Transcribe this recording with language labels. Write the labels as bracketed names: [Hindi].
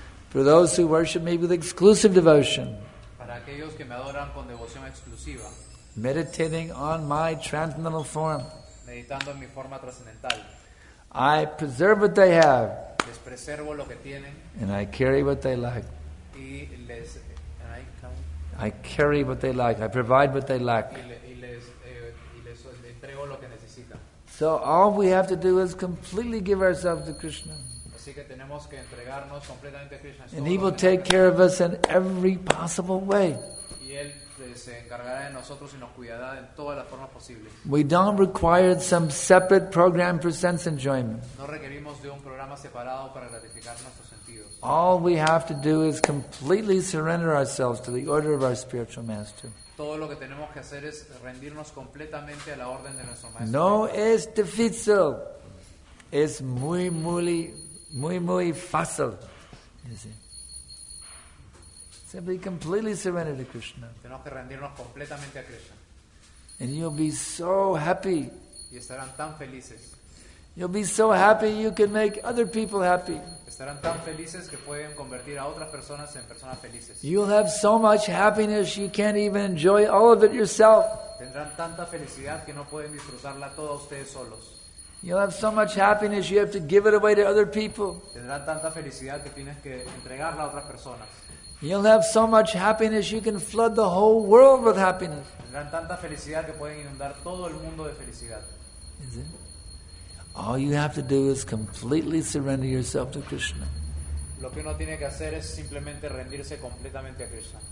[English] For those who worship me with exclusive devotion, [Spanish] para aquellos que me adoran con devoción exclusiva, [English] meditating on my transcendental form, [Spanish] meditando en mi forma transcendental, [English] I preserve what they have, [Spanish] les preservo lo que tienen, [English] and I carry what they lack. [Spanish] Y les, [English] I carry what they lack. I provide what they lack. [Spanish] Y les entrego lo que necesitan. [English] So all we have to do is completely give ourselves to Krishna. [Spanish] Así que tenemos que entregarnos completamente a Krishna. [English] And he will take care of us in every possible way. [Spanish] Y él se encargará de nosotros y nos cuidará de todas las formas posibles. [English] We don't require some separate program for sense enjoyment. [Spanish] No requerimos de un programa separado para gratificar nuestros sentidos. [English] All we have to do is completely surrender ourselves to the order of our spiritual master. [Spanish] Todo lo que tenemos que hacer es rendirnos completamente a la orden de nuestro maestro. No es difícil. Es muy, muy, muy, muy fácil. [English] You see? Simply completely surrender to Krishna. [Spanish] Tenemos que rendirnos completamente a Krishna. [English] And you'll be so happy. [Spanish] Y estarán tan felices. [English] You'll be so happy you can make other people happy. [Spanish] Estarán tan felices que pueden convertir a otras personas en personas felices. [English] You'll have so much happiness you can't even enjoy all of it yourself. [Spanish] Tendrán tanta felicidad que no pueden disfrutarla toda ustedes solos. [English] You'll have so much happiness you have to give it away to other people. [Spanish] Tendrán tanta felicidad que tienes que entregarla a otras personas. [English] You'll have so much happiness you can flood the whole world with happiness. [Spanish] Tendrán tanta felicidad que pueden inundar todo el mundo de felicidad. [English] Is it? All you have to do is completely surrender yourself to Krishna. [Spanish] Lo que uno tiene que hacer es simplemente rendirse completamente a Krishna.